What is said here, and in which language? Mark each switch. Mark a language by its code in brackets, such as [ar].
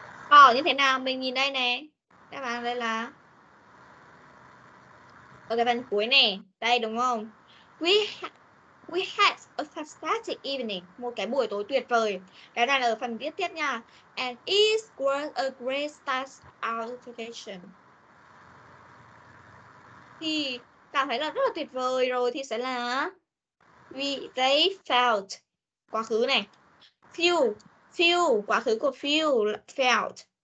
[vi] Họ như thế nào? Mình nhìn đây nè. Các bạn đây là ở cái phần cuối này, đây đúng không? [en] We had a fantastic evening, [vi] một cái buổi tối tuyệt vời. Cái này là ở phần viết tiếp nha. [en] And it was a great start our vacation. [vi] Thì cảm thấy là rất là tuyệt vời rồi thì sẽ là they felt, quá khứ này. Feel, quá khứ của feel, felt.